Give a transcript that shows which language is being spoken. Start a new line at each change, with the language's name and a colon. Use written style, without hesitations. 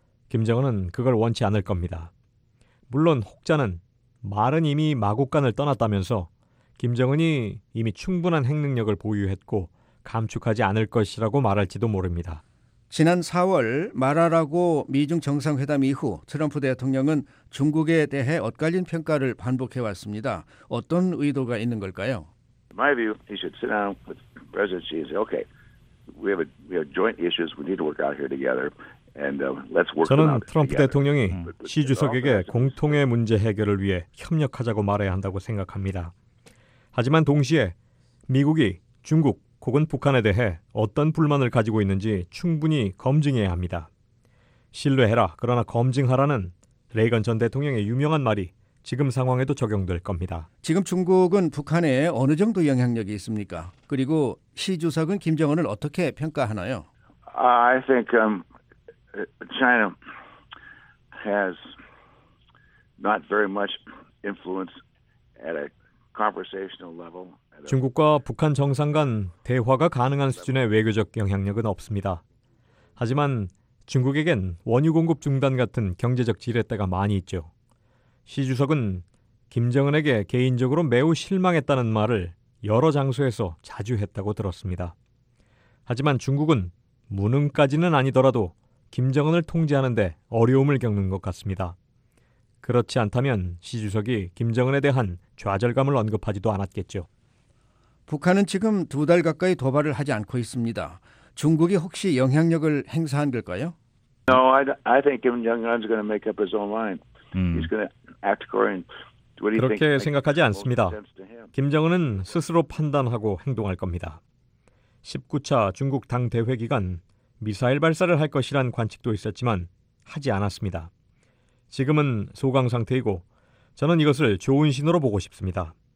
Korean: 김정은은 그걸 원치 않을 겁니다. 물론 혹자는 말은 이미 마구간을 떠났다면서 김정은이 이미 충분한 핵 능력을 보유했고 감축하지 않을 것이라고 말할지도 모릅니다. 지난 4월 마라라고 미중 정상회담 이후 트럼프 대통령은 중국에 대해 엇갈린 평가를 반복해왔습니다. 어떤 의도가 있는 걸까요?
English: My view, he should sit down with President Xi and say, okay, we have joint issues we need to work out here together.
Korean: 저는 트럼프 대통령이 시 주석에게 공통의 문제 해결을 위해 협력하자고 말해야 한다고 생각합니다. 하지만 동시에 미국이 중국 혹은 북한에 대해 어떤 불만을 가지고 있는지 충분히 검증해야 합니다. 신뢰해라 그러나 검증하라는 레이건 전 대통령의 유명한 말이 지금 상황에도 적용될 겁니다. 지금 중국은 북한에 어느 정도 영향력이 있습니까? 그리고 시 주석은 김정은을 어떻게 평가하나요?
English: I think China has not very much influence at a conversational level.
Korean: 중국과 북한 정상 간 대화가 가능한 수준의 외교적 영향력은 없습니다. 하지만 중국에겐 원유 공급 중단 같은 경제적 지렛대가 많이 있죠. 시 주석은 김정은에게 개인적으로 매우 실망했다는 말을 여러 장소에서 자주 했다고 들었습니다. 하지만 중국은 무능까지는 아니더라도 김정은을 통제하는 데 어려움을 겪는 것 같습니다. 그렇지 않다면 시 주석이 김정은에 대한 좌절감을 언급하지도 않았겠죠. 북한은 지금 두 달 가까이 도발을 하지 않고 있습니다. 중국이 혹시 영향력을 행사한 걸까요?
English: No, I think Kim Jong-un's going to make up his own mind. He's going to act according to what he thinks.
Korean: 그렇게 생각하지 않습니다. 김정은은 스스로 판단하고 행동할 겁니다. 19차 중국 당대회 기간 미사일 발사를 할 것이란 관측도 있었지만 하지 않았습니다. 지금은 소강 상태이고 저는 이것을 좋은 신호로 보고 싶습니다.